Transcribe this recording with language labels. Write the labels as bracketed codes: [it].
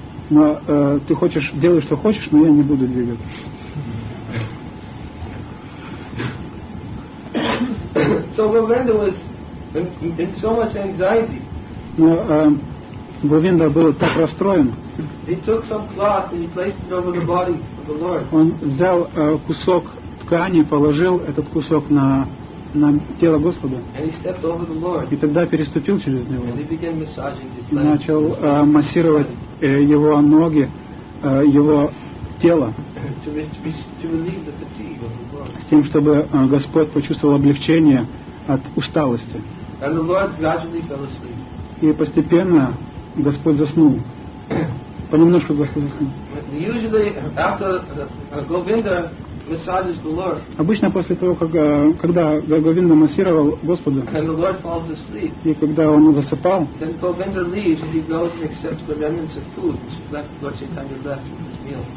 [ru] Но ты хочешь, делай, что хочешь, но я не буду двигаться. [en] So Govinda was in so much anxiety. [ru] Но Говинда был так расстроен. [en] He took some cloth and he placed it over the body of the Lord. [ru] Он взял кусок ткани, положил этот кусок на тело Господа. [en] And he stepped over the Lord. [ru] И тогда переступил через него. [en] And he began massaging his leg. [ru] Начал массировать его ноги, его тело. [en] To relieve the fatigue of the Lord. [ru] С тем, чтобы Господь почувствовал облегчение от усталости. [en] And the Lord gradually fell asleep. [ru] И постепенно Господь заснул. Понемножку Господь заснул. [en] Usually after Govinda massages the Lord. [ru] Обычно после того, когда Говинда массировал Господа. [en] And the Lord falls asleep. [ru] И когда он засыпал. [en] Then Govinda leaves and he goes and accepts the remnants of food that Lord Chaitanya left with his meal.